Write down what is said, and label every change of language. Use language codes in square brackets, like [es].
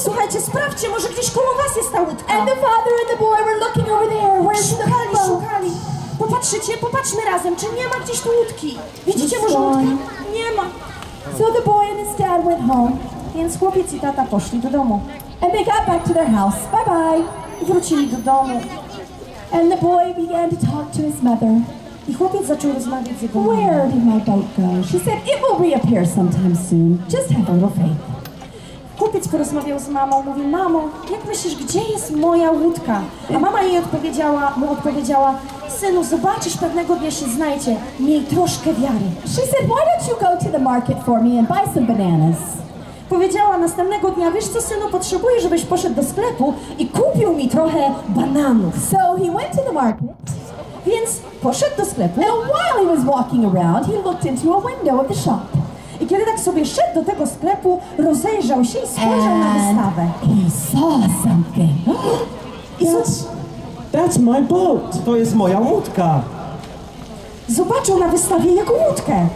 [pl] Słuchajcie, sprawdźcie, może gdzieś koło was jest ta łódka. [en] And the father and the boy were looking over there. Where's the boat? [pl] Szukali, szukali. Popatrzycie, popatrzmy razem, czy nie ma gdzieś tu łódki. Widzicie, może łódka? Nie ma. [en] So the boy and his dad went home. [pl] Więc chłopiec i tata poszli do domu. [en] And they got back to their house. Bye bye. [pl] I wrócili do domu. [en] And the boy began to talk to his mother. [pl] I chłopiec zaczął rozmawiać z jego mamą. [en] Where did my boat go? She said, it will reappear sometime soon. Just have a little faith. [pl] Chłopiec porozmawiał z mamą, mówi, mamo, jak myślisz, gdzie jest moja łódka? A mama jej odpowiedziała, mu odpowiedziała, synu, zobaczysz, pewnego dnia się znajdzie. Miej troszkę wiary. [en] She said, why don't you go to the market for me and buy some bananas? [pl] Powiedziała następnego dnia, wiesz co, synu, potrzebuję, żebyś poszedł do sklepu i kupił mi trochę bananów. [en] So he went to the market. [pl] Więc poszedł do sklepu. [en] And while he was walking around, he looked into a window of the shop. [pl] I kiedy tak sobie szedł do tego sklepu, rozejrzał się i spojrzał [en] and [pl] na wystawę. [en] He saw something. That's my boat. [pl] To jest moja łódka. Zobaczył na wystawie jego łódkę.